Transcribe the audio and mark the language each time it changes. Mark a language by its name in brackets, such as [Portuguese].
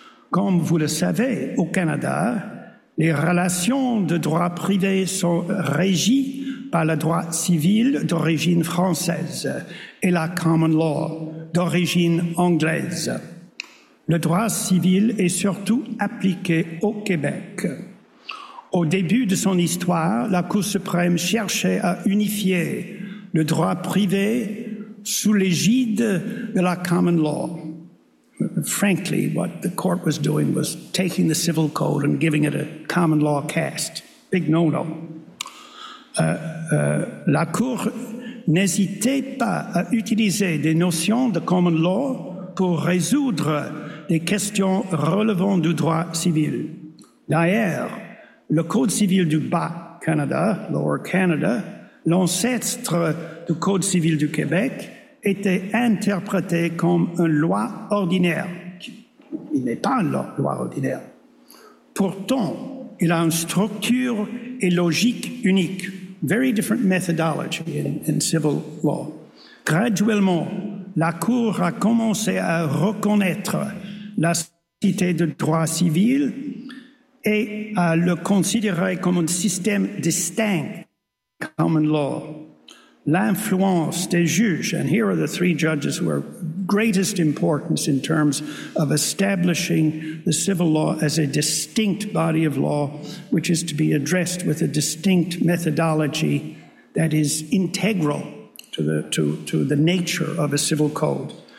[French] Comme vous le savez, au Canada, les relations de droit privé sont régies par le droit civil d'origine française et la common law d'origine anglaise. Le droit civil est surtout appliqué au Québec. Au début de son histoire, la Cour suprême cherchait à unifier le droit privé sous l'égide de la common law. [English] Frankly, what the court was doing was taking the civil code and giving it a common law cast. Big no-no. [French] La Cour n'hésitait pas à utiliser des notions de common law pour résoudre des questions relevant du droit civil. D'ailleurs, le Code civil du Bas-Canada, Lower Canada, l'ancêtre du Code civil du Québec, était interprété comme une loi ordinaire. Il n'est pas une loi ordinaire. Pourtant, il a une structure et logique unique. [English] Very different methodology in civil law. [French] Graduellement, la Cour a commencé à reconnaître la cité de droit civil et à le considérer comme un système distinct, common law. L'influence des juges, [English] and here are the three judges who are greatest importance in terms of establishing the civil law as a distinct body of law, which is to be addressed with a distinct methodology that is integral to the nature of a civil code.